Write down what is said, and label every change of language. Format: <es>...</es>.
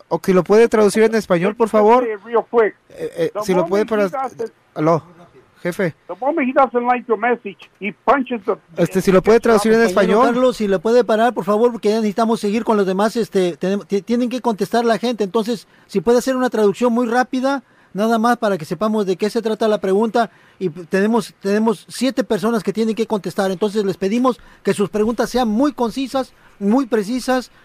<es>Okay, lo puede traducir en español, por favor.</es> <en>Real quick.</en> <es>Si lo puede para. Aló, jefe.</es> <en>The moment he doesn't like your message, he punches the.</en> <es>Si lo puede traducir en español. Carlos, si le puede parar, por favor, porque ya necesitamos seguir con los demás. Tienen que contestar la gente. Entonces, si puede hacer una traducción muy rápida, nada más para que sepamos de qué se trata la pregunta. Y tenemos 7 personas que tienen que contestar. Entonces, les pedimos que sus preguntas sean muy concisas, muy precisas.</es>